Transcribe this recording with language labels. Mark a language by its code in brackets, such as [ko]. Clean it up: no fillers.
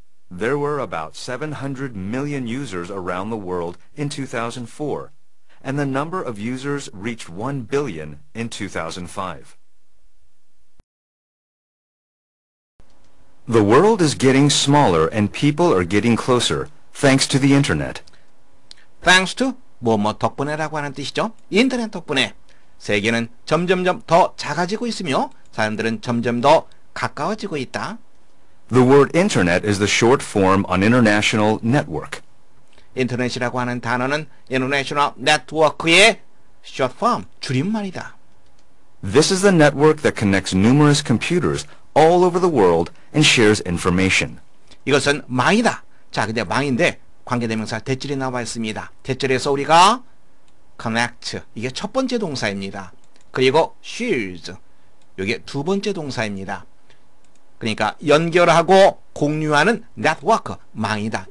[en] There were about 700 million users around the world in 2004, and the number of users reached 1 billion in 2005. The world is getting smaller and people are getting closer, thanks to the Internet. Thanks to? [ko] 뭐뭐 덕분에라고 하는 뜻이죠. 인터넷 덕분에 세계는 점점점 더 작아지고 있으며 사람들은 점점 더 가까워지고 있다. [en] The word Internet is the short form on international network. [ko] 인터넷이라고 하는 단어는 [en] international network [ko] 의 [en] short form, [ko] 줄임말이다. [en] This is the network that connects numerous computers all over the world and shares information. [ko] 이것은 망이다. 자, 근데 망인데 관계대명사 대절이 나와 있습니다. 대절에서 우리가 connect, 이게 첫 번째 동사입니다. 그리고 shares, 이게 두 번째 동사입니다. 그러니까 연결하고 공유하는 네트워크, 망이다.